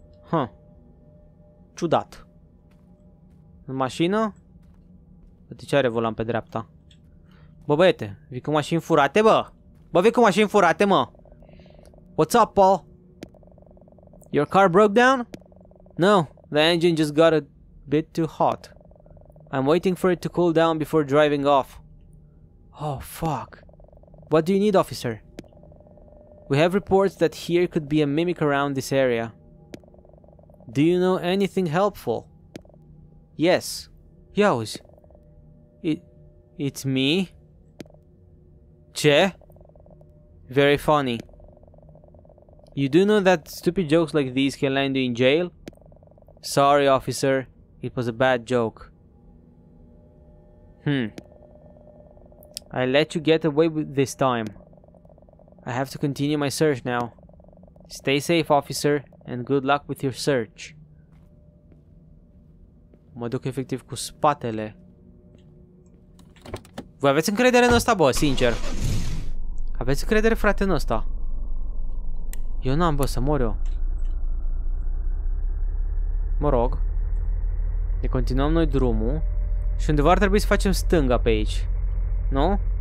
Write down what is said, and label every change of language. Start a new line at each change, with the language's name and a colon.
Romanian: Ha. Ciudat. În mașină? De ce are volan pe dreapta? Bă, băiete, vii cu mașini furate, bă? Bă, vii cu mașini furate, mă?
English: What's up, Paul? Your car broke down? No, the engine just got a bit too hot. I'm waiting for it to cool down before driving off. Oh, fuck. What do you need, officer? We have reports that here could be a mimic around this area. Do you know anything helpful? Yes.
Romanian: Ia auzi.
English: It's me? Ce? Very funny. You do know that stupid jokes like these can land you in jail? Sorry, officer. It was a bad joke. Hmm. I let you get away with this time. I have to continue my search now. Stay safe, officer, and good luck with your search.
Romanian: Mă duc efectiv cu spatele. Voi aveți încredere în ăsta, bă, sincer. Aveți încredere, frate, în ăsta. Eu n-am, bă, să mor eu. Mă rog. Ne continuăm noi drumul. Și undeva ar trebui să facem stânga pe aici. Nu?